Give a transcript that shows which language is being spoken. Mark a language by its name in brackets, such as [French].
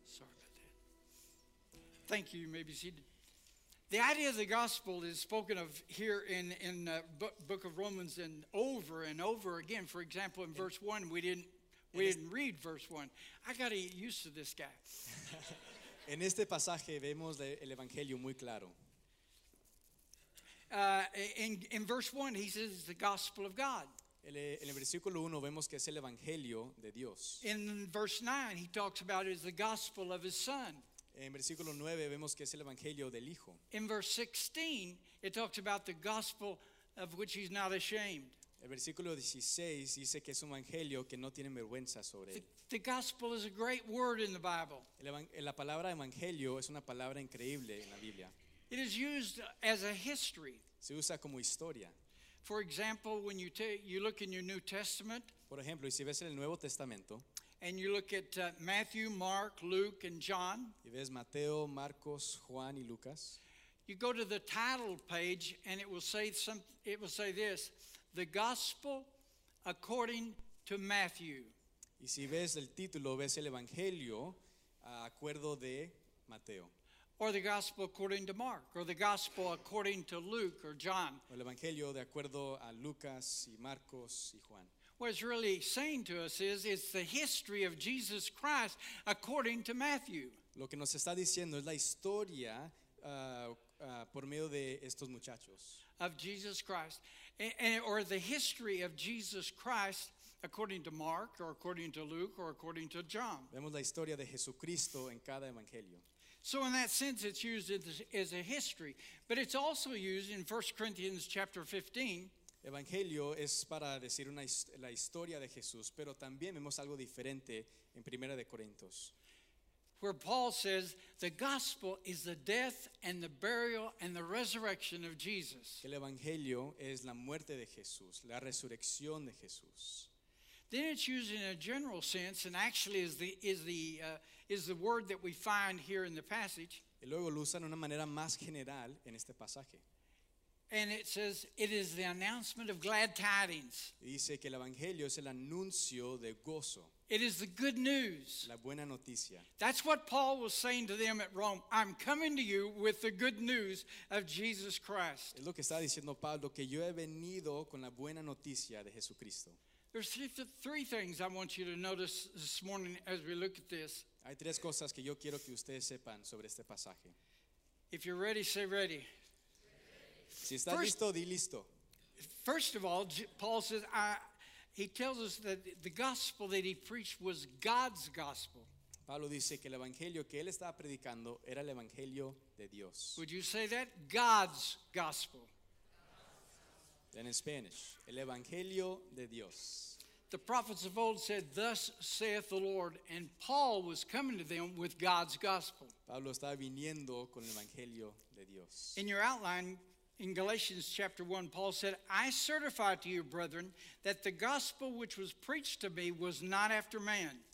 [English] Sorry about that. Thank you. You may be seated. The idea of the gospel is spoken of here in the book of Romans and over again. For example, in verse 1, we didn't read verse 1. I got to get used to this guy. [Spanish] En este pasaje vemos el evangelio muy claro. [English] In verse 1, he says it's the gospel of God. [Spanish] En el versículo 1 vemos que es el evangelio de Dios. [English] In verse 9, he talks about it as the gospel of his Son. [Spanish] En versículo 9 vemos que es el evangelio del Hijo. [English] In verse 16, it talks about the gospel of which he's not ashamed. [Spanish] El versículo 16 dice que es un evangelio que no tiene vergüenza sobre él. [English] The gospel is a great word in the Bible. [Spanish] La palabra evangelio es una palabra increíble en la Biblia. [English] It is used as a history. [Spanish] Se usa como historia. [English] For example, when you look in your New Testament, [Spanish] por ejemplo, y si ves en el Nuevo Testamento, [English] and you look at Matthew, Mark, Luke, and John, [Spanish] y ves Mateo, Marcos, Juan, y Lucas, [English] you go to the title page, and it will say this: the Gospel according to Matthew. [Spanish] Y si ves el título, ves el Evangelio acuerdo de Mateo. [English] Or the gospel according to Mark, or the gospel according to Luke or John. [Spanish] El evangelio de acuerdo a Lucas y Marcos y Juan. [English] What it's really saying to us is it's the history of Jesus Christ according to Matthew. [Spanish] Lo que nos está diciendo es la historia por medio de estos muchachos. [English] Of Jesus Christ, or the history of Jesus Christ according to Mark or according to Luke or according to John. [Spanish] Vemos la historia de Jesucristo en cada evangelio. [English] So in that sense, it's used as a history. But it's also used in 1 Corinthians chapter 15. [Spanish] Evangelio es para decir la historia de Jesús, pero también vemos algo diferente en Primera de Corintios. [English] Where Paul says, the gospel is the death and the burial and the resurrection of Jesus. [Spanish] El evangelio es la muerte de Jesús, la resurrección de Jesús. [English] Then it's used in a general sense, and actually is the word that we find here in the passage. [Spanish] Y luego lo usan de una manera más general en este pasaje. [English] And it says it is the announcement of glad tidings. [Spanish] Dice que el evangelio es el anuncio de gozo. [English] It is the good news. [Spanish] La buena noticia. [English] That's what Paul was saying to them at Rome. I'm coming to you with the good news of Jesus Christ. [Spanish] Es lo que está diciendo Pablo, que yo he venido con la buena noticia de Jesucristo. [English] There's three things I want you to notice this morning as we look at this. [Spanish] Hay tres cosas que yo quiero que ustedes sepan sobre este pasaje. [English] If you're ready, say ready. [Spanish] Si estás first, listo, di listo. [English] First of all, Paul says, he tells us that the gospel that he preached was God's gospel. [Spanish] Pablo dice que el evangelio que él estaba predicando era el evangelio de Dios. [English] Would you say that? God's gospel. Then in Spanish, [Spanish] el evangelio de Dios. [English] The prophets of old said, "Thus saith the Lord," and Paul was coming to them with God's gospel. [Spanish] Pablo estaba viniendo con el evangelio de Dios. [English] In your outline, in Galatians chapter 1, Paul said, "I certify to you, brethren, that the gospel which was preached to me was not after man."